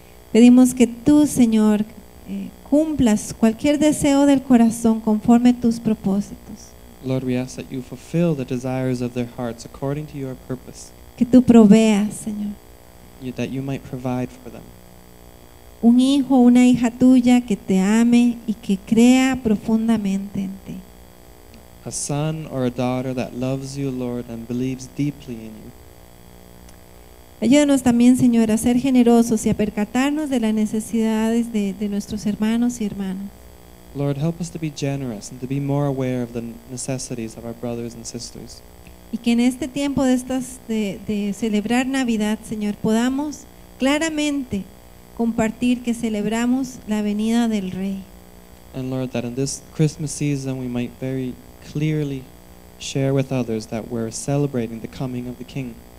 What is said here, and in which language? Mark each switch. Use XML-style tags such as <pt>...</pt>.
<es>Pedimos que tú, Señor, cumplas cualquier deseo del corazón conforme tus propósitos.</es> <en>Lord, we ask that you fulfill the desires of their hearts according to your purpose.</en> <es>Que tú proveas, Señor.</es> <en>That you might provide for them.</en> <es>Un hijo, una hija tuya que te ame y que crea profundamente en ti.</es> <en>A son or a daughter that loves you, Lord, and believes deeply in you.</en> <es>Ayúdanos también, Señor, a ser generosos y a percatarnos de las necesidades de nuestros hermanos y hermanas.</es> <en>Lord, help us to be generous and to be more aware of the necessities of our brothers and sisters.</en> <es>Y que en este tiempo de estas de celebrar Navidad, Señor, podamos claramente compartir que celebramos la venida del Rey.</es> <en>And Lord, that in this Christmas season we might very clearly share with others that we're celebrating the coming of the King.</en>